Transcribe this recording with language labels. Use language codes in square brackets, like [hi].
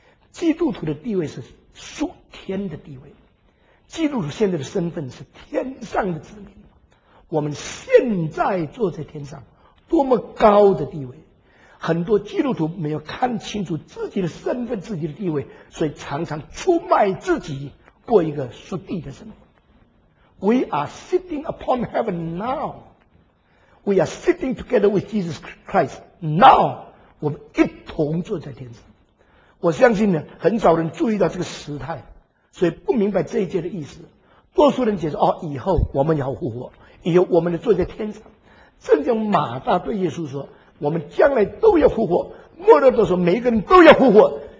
[zh] 基督徒的地位是属天的地位，基督徒现在的身份是天上的子民。我们现在坐在天上，多么高的地位。很多基督徒没有看清楚自己的身份，自己的地位，所以常常出卖自己，过一个属地的生活。 [en] We are sitting upon heaven now. We are sitting together with Jesus Christ now. [zh] 我们一同坐在天上。我相信呢，很少人注意到这个时态，所以不明白这一节的意思。多数人解释，哦，以后我们要复活，以后我们的罪在天上。正像马大对耶稣说，我们将来都要复活，末日的时候每一个人都要复活。